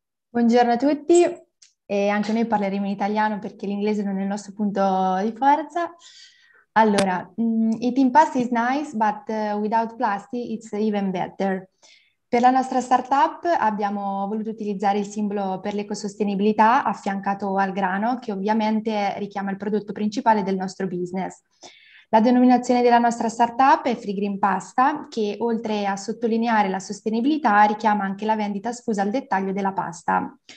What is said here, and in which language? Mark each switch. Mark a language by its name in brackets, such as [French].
[Italian] Buongiorno a tutti, e anche noi parleremo in italiano perché l'inglese non è il nostro punto di forza. [English] Allora, eating pasta is nice, but without plastic it's even better. [Italian] Per la nostra startup abbiamo voluto utilizzare il simbolo per l'ecosostenibilità affiancato al grano, che ovviamente richiama il prodotto principale del nostro business. La denominazione della nostra startup è Free Green Pasta, che oltre a sottolineare la sostenibilità, richiama anche la vendita sfusa al dettaglio della pasta.